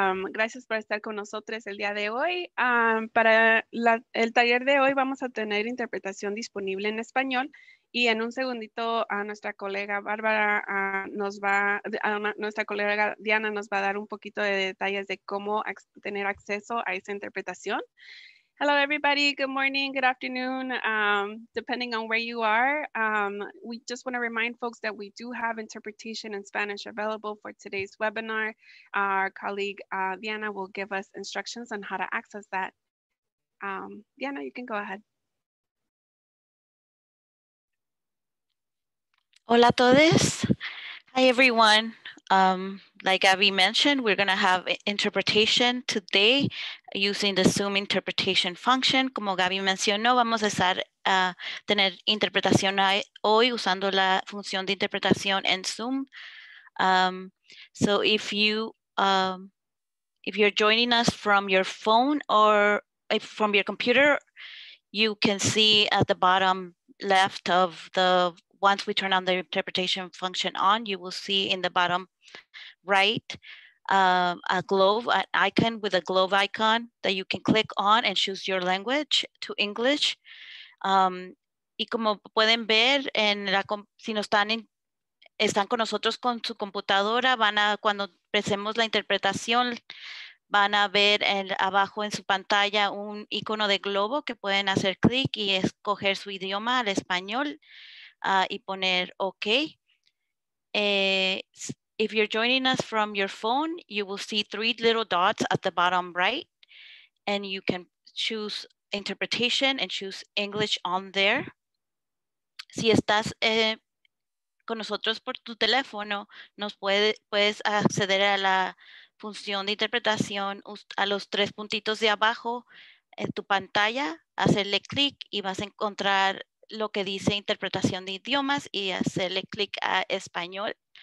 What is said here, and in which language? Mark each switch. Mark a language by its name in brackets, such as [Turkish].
[Spanish] Gracias por estar con nosotros el día de hoy. Para el taller de hoy vamos a tener interpretación disponible en español y en un segundito a nuestra colega Bárbara Diana nos va a dar un poquito de detalles de cómo tener acceso a esa interpretación. [English] Hello everybody, good morning, good afternoon, depending on where you are. We just want to remind folks that we do have interpretation in Spanish available for today's webinar. Our colleague Diana will give us instructions on how to access that. Diana, you can go ahead. [Spanish] Hola a todos. [English] Hi everyone. Like Abby mentioned, we're going to have interpretation today using the Zoom interpretation function. [Spanish] Como Gabby mencionó, vamos a estar a tener interpretación hoy usando la función de interpretación en Zoom. [English] So if you if you're joining us from your phone or from your computer, you can see at the bottom left of the once we turn on the interpretation function on, you will see in the bottom right a globe, an icon with a globe icon that you can click on and choose your language to English. [Spanish] Y como pueden ver, en la, si no están, en, están con nosotros con su computadora, van a, cuando empecemos la interpretación, van a ver en, abajo en su pantalla un icono de globo que pueden hacer clic y escoger su idioma al español. Y poner OK. [English] If you're joining us from your phone, you will see three little dots at the bottom right, and you can choose interpretation and choose English on there. [Spanish] Si estás con nosotros por tu teléfono, nos puede, puedes acceder a la función de interpretación a los tres puntitos de abajo en tu pantalla, hacerle clic y vas a encontrar lo que dice interpretación de idiomas y hacerle clic a español.